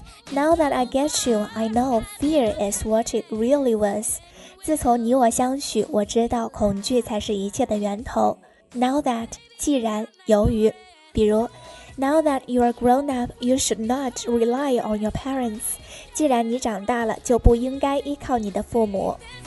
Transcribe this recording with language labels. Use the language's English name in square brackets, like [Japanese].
[English] Now that I get you, I know fear is what it really was. [Chinese] 自从你我相许，我知道恐惧才是一切的源头。 [English] Now that [Chinese] 既然由于，比如 [English] Now that you are grown up, you should not rely on your parents. [Chinese] 既然你长大了，就不应该依靠你的父母。